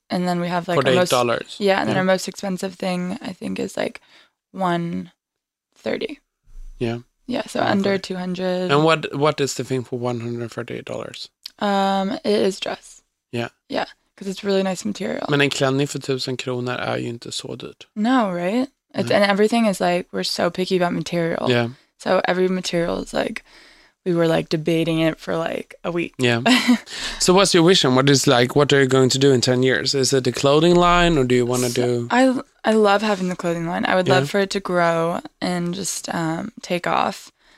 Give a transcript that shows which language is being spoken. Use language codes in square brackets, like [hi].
[en] And then we have like $48. Yeah. And then our most expensive thing, I think, is like $130. Yeah. Yeah. So under $200. And what is the thing for $138? It is dress. Yeah. Yeah. Because it's really nice material. [sv] Men en klänning för 1,000 kronor är ju inte så dyrt. [en] No, right? It's, and everything is like, we're so picky about material. Yeah. So every material is like, we were like debating it for like a week. Yeah. So what's your vision? What is like, what are you going to do in 10 years? Is it a clothing line or do you want to do? I love having the clothing line. I would love for it to grow and just take off.